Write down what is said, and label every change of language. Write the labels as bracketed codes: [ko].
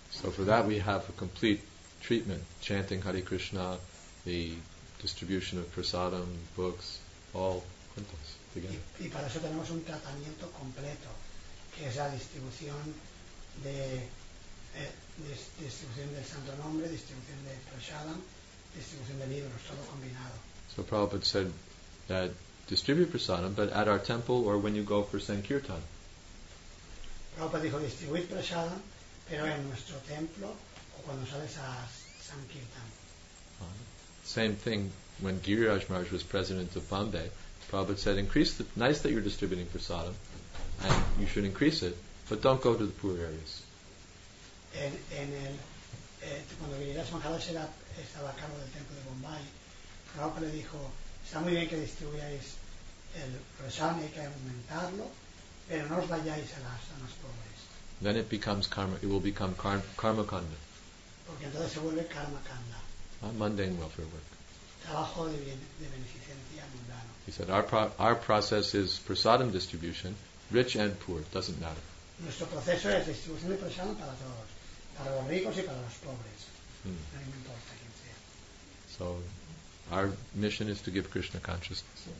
[en] So for that we have a complete treatment, chanting Hare Krishna, the distribution of prasadam, books, all juntos, together. [es] Y para eso tenemos un tratamiento completo, que es la distribución distribución del santo nombre, distribución de prasadam, distribución de libros, todo combinado. [en] So Prabhupada said that distribute prasadam, but at our temple or when you go for Sankirtan. [es] Prabhupada dijo distribuir prasadam, pero en nuestro templo o cuando sales a Sankirtan. [en] Same thing when Giriraj Maharaj was president of Bombay, Prabhupada said, nice that you're distributing prasadam, and you should increase it, but don't go to the poor areas. [es] Cuando Giriraj Maharaj estaba a cargo del templo de Bombay, Prabhupada le dijo, está muy bien que distribuyáis el prasadam, hay que aumentarlo, pero no os vayáis a las zonas pobres. [en] Then it becomes karma, it will become karma kanda. [es] Porque entonces se vuelve karma kanda. [en] Mundane welfare work. [es] Trabajo de beneficencia mundano. [en] He said, our process is prasadam distribution, rich and poor, doesn't matter. [es] Nuestro proceso es distribución de prasadam para todos, para los ricos y para los pobres. No importa quién sea. [en] So, our mission is to give Krishna consciousness.